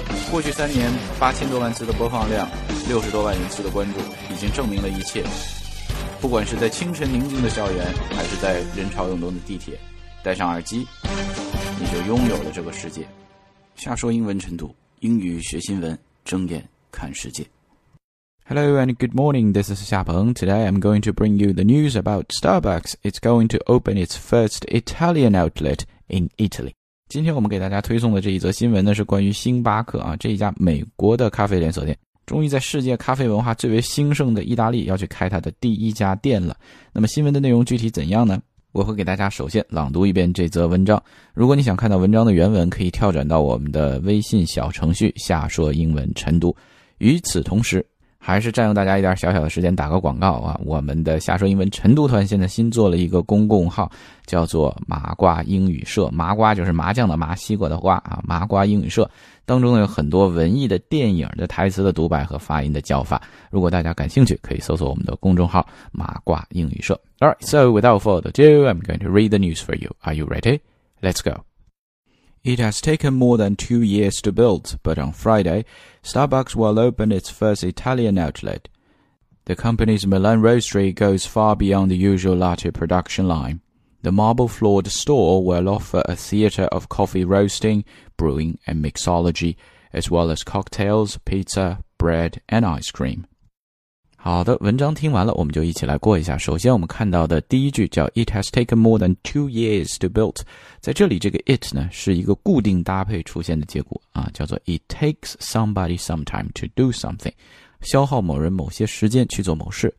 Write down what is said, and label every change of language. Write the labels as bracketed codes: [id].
[zh] 过去三年，8000多万次的播放量，60多万人次的关注，已经证明了一切。不管是在清晨宁静的校园，还是在人潮涌动的地铁，戴上耳机，你就拥有了这个世界。下说英文晨读，英语学新闻，睁眼看世界。 [en] Hello and good morning, this is Xiapeng. Today I'm going to bring you the news about Starbucks. It's going to open its first Italian outlet in Italy. [zh] 今天我们给大家推送的这一则新闻呢，是关于星巴克啊，这一家美国的咖啡连锁店。终于在世界咖啡文化最为兴盛的意大利要去开它的第一家店了。那么新闻的内容具体怎样呢？我会给大家首先朗读一遍这则文章。如果你想看到文章的原文，可以跳转到我们的微信小程序下说英文晨读。与此同时，还是占用大家一点小小的时间打个广告啊，我们的下说英文晨读团现在新做了一个公共号，叫做麻瓜英语社。麻瓜就是麻将的麻，西瓜的瓜啊，麻瓜英语社当中有很多文艺的电影的台词的独白和发音的叫法，如果大家感兴趣可以搜索我们的公众号麻瓜英语社。 [en] Alright, so without further ado, I'm going to read the news for you. Are you ready? Let's go. It has taken more than 2 years to build, but on Friday, Starbucks will open its first Italian outlet. The company's Milan Roastery goes far beyond the usual latte production line. The marble-floored store will offer a theatre of coffee roasting, brewing and mixology, as well as cocktails, pizza, bread and ice cream. [zh] 好的，文章听完了，我们就一起来过一下。首先我们看到的第一句叫 [en] It has taken more than 2 years to build。 [zh] 在这里这个 it 呢是一个固定搭配出现的结果啊，叫做 [en] It takes somebody some time to do something， [zh] 消耗某人某些时间去做某事。